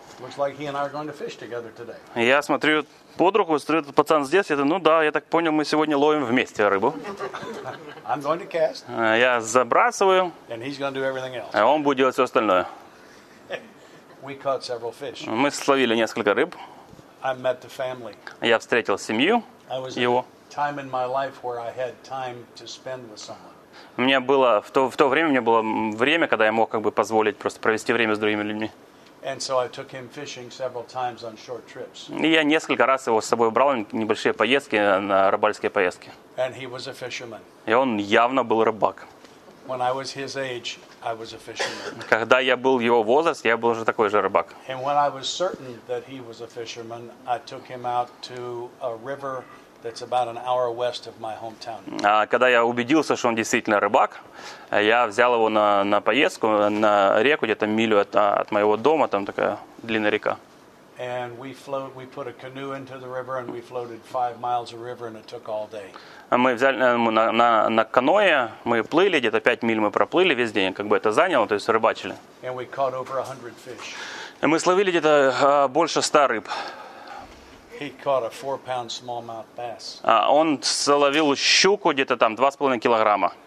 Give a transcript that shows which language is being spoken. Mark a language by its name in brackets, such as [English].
[English] Looks like he and I are going to fish together today. [Russian] Я смотрю под руку, смотрю, этот пацан здесь, я говорю, ну да, я так понял, мы сегодня ловим вместе рыбу. [English] I'm going to cast. [Russian] Я забрасываю, [English] and he's going to do everything else. [Russian] А он будет делать все остальное. [English] We caught several fish. [Russian] Мы словили несколько рыб. [English] I met the family. [Russian] Я встретил семью, [English] I was [Russian] его. [English] Time in my life where I had time to spend with someone. [Russian] Мне было, в то время, мне было время, когда я мог как бы позволить просто провести время с другими людьми. [English] And so I took him fishing several times on short trips. [Russian] И я несколько раз его с собой брал на небольшие поездки, на рыбальские поездки. [English] And he was a fisherman. [Russian] И он явно был рыбак. [English] When I was his age, I was a fisherman. [Russian] Когда я был его возраст, я был уже такой же рыбак. [English] And when I was certain that he was a fisherman, I took him out to a river that's about an hour west of my hometown. [Russian] А когда я убедился, что он действительно рыбак, я взял его на поездку на реку где-то милю от моего дома, там такая длинная река. [English] And we put a canoe into the river and we floated 5 miles of river and it took all day. [Russian] А мы взяли на каное, мы плыли где-то 5 миль, мы проплыли весь день, как бы это заняло, то есть рыбачили. [English] And we caught over 100 fish. [Russian] И мы словили где-то больше 100 рыб. [English] He caught a 4-pound smallmouth bass. [Russian] Он словил щуку где-то там 2.5 килограмма.